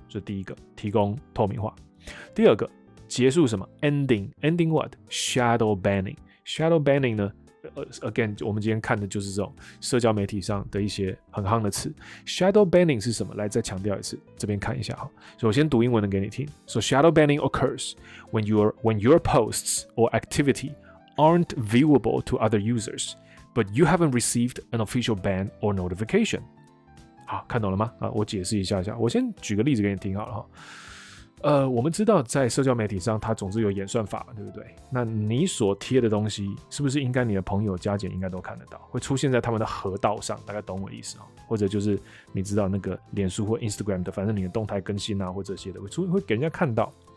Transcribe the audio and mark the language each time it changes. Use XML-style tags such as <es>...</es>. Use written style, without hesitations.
<zh>这第一个，提供透明化。第二个，结束什么 ？</zh> <en>ending what shadow banning？</en> <zh>Shadow banning 呢？ Again， 我们今天看的就是这种社交媒体上的一些很夯的词。 Shadow banning 是什么？来，再强调一次，这边看一下哈。首先读英文的给你听。</zh> <en>So shadow banning occurs when your posts or activity aren't viewable to other users, but you haven't received an official ban or notification。</en> <zh>好，看懂了吗？我解释一下。我先举个例子给你听好了哈。我们知道在社交媒体上它总是有演算法，对不对？那你所贴的东西是不是应该你的朋友加减应该都看得到，会出现在他们的河道上，大概懂我意思，或者就是你知道那个脸书或 Instagram 的，反正你的动态更新啊或这些的 会给人家看到。</zh>